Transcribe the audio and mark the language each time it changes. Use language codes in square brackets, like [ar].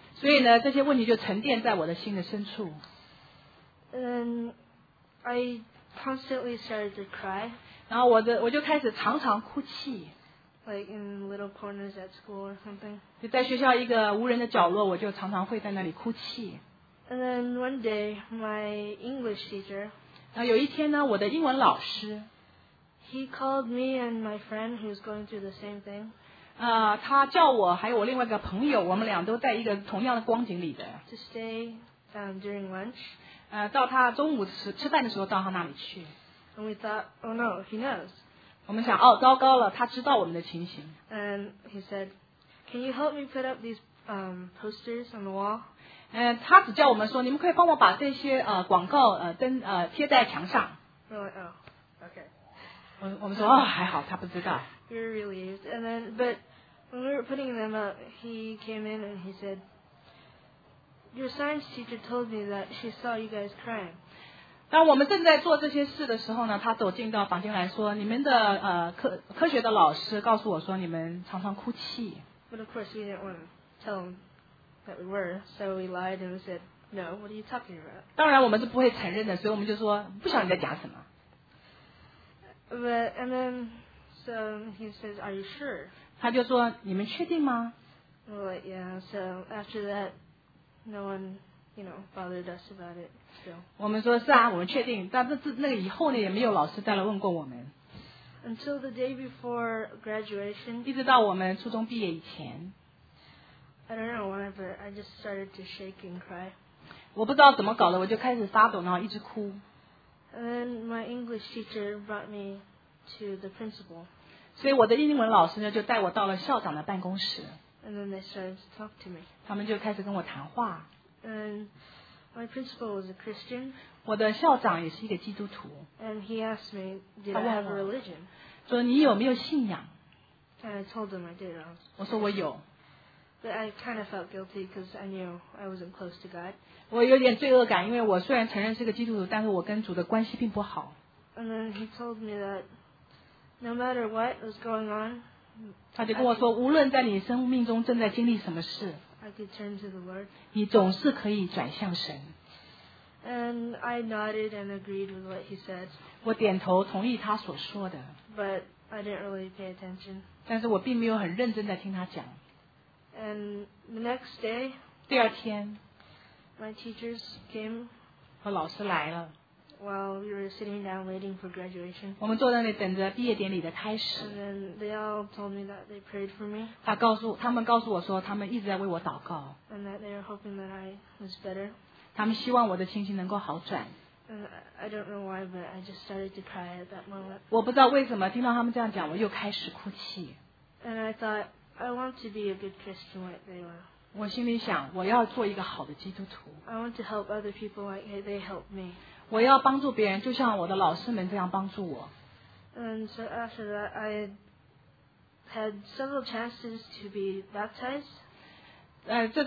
[zh] 所以呢，这些问题就沉淀在我的心的深处。 [en] And I constantly started to cry. [zh] 然后我就开始常常哭泣。 [en] Like in little corners at school or something. [zh] 就在学校一个无人的角落，我就常常会在那里哭泣。 [en] And then one day, my English teacher. [zh] 然后有一天呢，我的英文老师。 [en] He called me and my friend who's going through the same thing. [zh] 他叫我还有我另外一个朋友，我们俩都在一个同样的光景里的。 [en] To stay during lunch. [zh] 到他中午吃饭的时候到他那里去。 [en] And we thought, oh no, he knows. [zh] 我们想，哦，糟糕了，他知道我们的情形。 [en] And he said, "Can you help me put up these posters on the wall?" [zh] 他只叫我们说，你们可以帮我把这些广告贴在墙上。 [en] We're like, oh, okay. [zh] 我们说, oh, 还好,他不知道. [en] We were relieved. And then, but when we were putting them up, he came in and he said, your science teacher told me that she saw you guys crying. [zh] 当我们正在做这些事的时候呢,他躲进到房间来说,你们的科学的老师告诉我说你们常常哭泣。 [en] But of course, we didn't want to tell him that we were, so we lied and we said, no, what are you talking about? [zh] 当然我们是不会承认的,所以我们就说,不晓得你在讲什么。 [en] But, and then, so he says, are you sure? [zh] 他就说,你们确定吗? [en] Well, yeah, so after that, no one, you know, bothered us about it. So, [zh] 我们说是啊,我们确定,但是那个以后呢,也没有老师再来问过我们。 [en] Until the day before graduation, [zh] 一直到我们初中毕业以前, [en] I don't know why, but I just started to shake and cry. [zh] 我不知道怎么搞的,我就开始发抖,然后一直哭。 [en] And then my English teacher brought me to the principal. [zh] 所以我的英文老师呢,就带我到了校长的办公室。 [en] And then they started to talk to me. [zh] 他们就开始跟我谈话。 [en] And my principal was a Christian. [zh] 我的校长也是一个基督徒。 [en] And he asked me, did I have a religion? [zh] 说你有没有信仰? [en] And I told him I did. [zh] 我说我有。 [en] But I kind of felt guilty because I knew I wasn't close to God. [zh] 我有点罪恶感, 因为我虽然承认是个基督徒, 但是我跟主的关系并不好。 [en] And then he told me that no matter what was going on, [zh] 他就跟我说, 无论在你生命中正在经历什么事, [en] I could turn to the Lord. [zh] 你总是可以转向神。 [en] And I nodded and agreed with what he said. [zh] 我点头同意他所说的。 [en] But I didn't really pay attention. [zh] 但是我并没有很认真地听他讲。 [en] And the next day, [zh] 第二天, [en] my teachers came. [zh] 和老师来了。 [en] While we were sitting down waiting for graduation. [zh] 我们坐在那里等着毕业典礼的开始。 [en] And then they all told me that they prayed for me. [zh] 他们告诉我说他们一直在为我祷告。 [en] And that they were hoping that I was better. [zh] 他们希望我的情形能够好转。 [en] I don't know why, but I just started to cry at that moment. [zh] 我不知道为什么,听到他们这样讲,我又开始哭泣。 [en] And I thought, I want to be a good Christian like they were. [zh] 我心里想,我要做一个好的基督徒。 [en] I want to help other people like they helped me. [zh] 我要帮助别人,就像我的老师们这样帮助我。 [en] And so after that, I had several chances to be baptized.